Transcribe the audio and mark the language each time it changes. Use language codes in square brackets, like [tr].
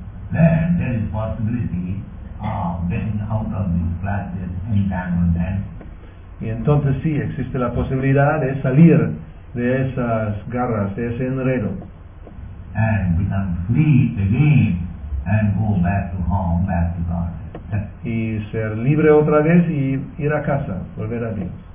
[en] Then there is possibility of getting out of these classes, entanglement. [es] Y entonces sí, existe la posibilidad de salir de esas garras, de ese enredo. [en] And become free again and go back to home, back to God. [es] Y ser libre otra vez y ir a casa, volver a Dios.